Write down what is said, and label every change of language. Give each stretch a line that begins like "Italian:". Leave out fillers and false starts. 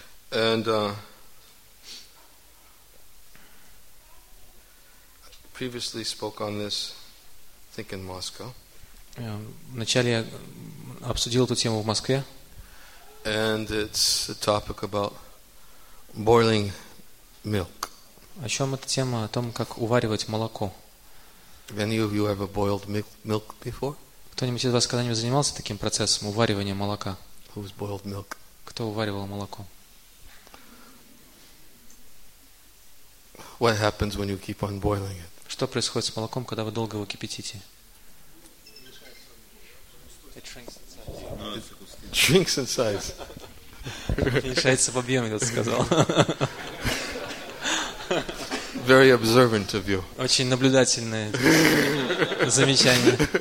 English: And previously spoke on this, I think in Moscow.
Russian: Вначале я обсудил эту тему в Москве.
English: And it's a topic about boiling milk.
Russian: О чем эта тема? О том, как уваривать молоко.
English: Any of you ever boiled milk before?
Russian: Кто-нибудь из вас когда-нибудь занимался таким процессом уваривания молока?
English: Who's boiled milk?
Russian: Кто уваривал молоко?
English: What happens when you keep on boiling it?
Russian: Что происходит с молоком, когда вы долго его кипятите?
English: It shrinks in size.
Russian: Уменьшается в объеме, я сказал.
English: Very observant of you.
Russian: Очень наблюдательное замечание.